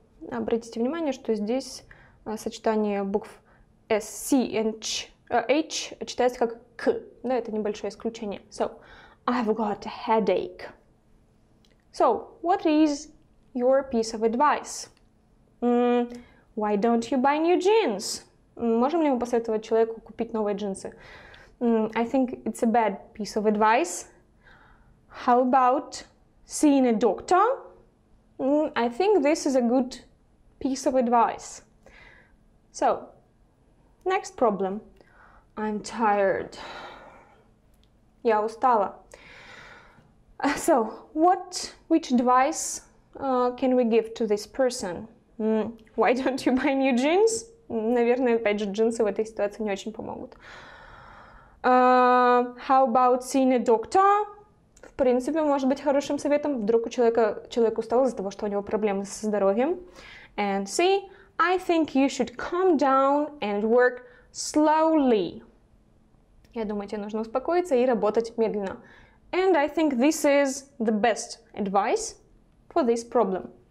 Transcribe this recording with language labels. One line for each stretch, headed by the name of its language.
Russian: Обратите внимание, что здесь сочетание букв S, C, and H, H читается как К. Да, это небольшое исключение.
English: So, I've got a headache. So, what is your piece of advice? Why don't you buy new jeans?
Russian: Можем ли мы посоветовать человеку купить новые джинсы?
English: I think it's a bad piece of advice. How about seeing a doctor? I think this is a good piece of advice. So, next problem. I'm tired.
Russian: Я устала.
English: So, which advice can we give to this person? Why don't you buy new jeans?
Russian: Наверное, опять же, джинсы в этой ситуации не очень помогут.
English: How about seeing a doctor?
Russian: В принципе, может быть хорошим советом. Вдруг у человек устал из-за того, что у него проблемы со здоровьем.
English: And see, I think you should calm down and work slowly.
Russian: Я думаю, тебе нужно успокоиться и работать медленно.
English: And I think this is the best advice for this problem.